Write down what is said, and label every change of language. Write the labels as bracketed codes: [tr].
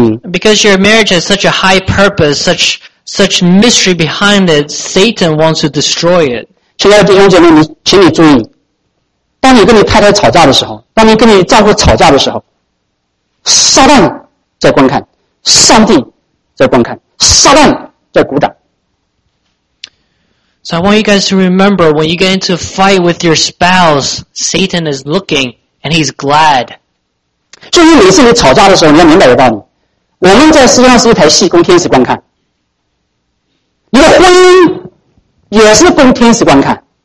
[en] Because your marriage has such a high purpose, such mystery behind it, Satan wants to destroy it. [zh] 亲爱的弟兄姐妹，请你注意，当你跟你太太吵架的时候，当你跟你丈夫吵架的时候，撒旦在观看，上帝在观看，撒旦在鼓掌。So [en] I want you guys to remember, when you get into a fight with your spouse, Satan is looking and he's glad. [zh] 就因为每次你吵架的时候，你要明白一个道理：我们在实际上是一台戏，供天使观看；你的婚姻也是供天使观看。